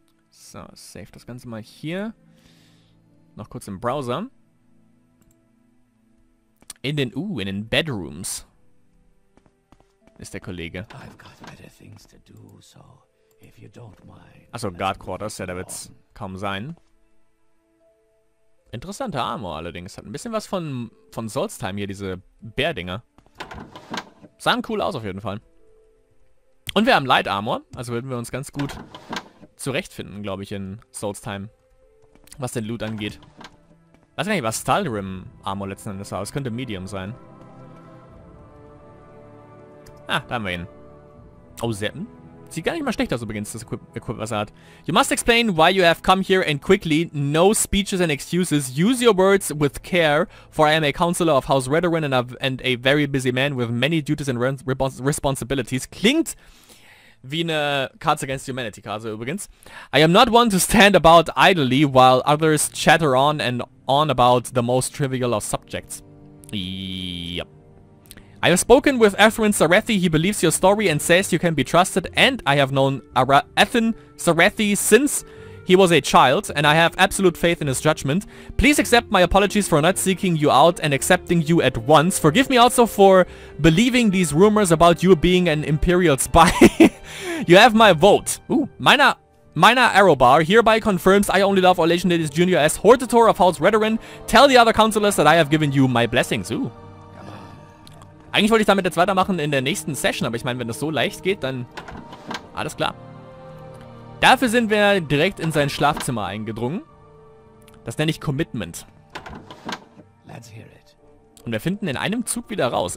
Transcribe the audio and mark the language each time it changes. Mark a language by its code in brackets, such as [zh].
[de] So, save das Ganze mal hier. Noch kurz im Browser. In den Bedrooms. Ist der Kollege. [en] I've got better things to do, so if you don't mind. [de] Achso, Guard Quarters, ja, da wird's kaum sein. Interessanter Armor allerdings. Hat ein bisschen was von Solstheim hier, diese Bärdinger. Sahen cool aus auf jeden Fall. Und wir haben Light Armor. Also würden wir uns ganz gut zurechtfinden, glaube ich, in Solstheim. Was den Loot angeht. Weiß gar nicht, was Stalrim Armor letzten Endes war. Es könnte Medium sein. Ah, da haben wir ihn. Oh, Seppen. Sieht gar nicht mal schlecht aus, so beginnt das Equip, was er hat. [en] You must explain why you have come here and quickly. No speeches and excuses. Use your words with care, for I am a counselor of House Redoran and a very busy man with many duties and responsibilities. [de] Klingt wie eine Cards Against Humanity Karte übrigens. [en] I am not one to stand about idly while others chatter on and on about the most trivial of subjects. Yep. I have spoken with Athrun Sarathi. He believes your story and says you can be trusted. And I have known Athrun Sarathi since he was a child. And I have absolute faith in his judgment. Please accept my apologies for not seeking you out and accepting you at once. Forgive me also for believing these rumors about you being an Imperial spy. You have my vote. Ooh, Meiner Arrowbar hereby confirms I only love Orlesian Ladies Jr. as Hortator of House Redoran. Tell the other counselors that I have given you my blessings. Ooh. [de] Eigentlich wollte ich damit jetzt weitermachen in der nächsten Session, aber ich meine, wenn das so leicht geht, dann alles klar. Dafür sind wir direkt in sein Schlafzimmer eingedrungen. Das nenne ich Commitment. [en] Let's hear it. [de] Und wir finden in einem Zug wieder raus.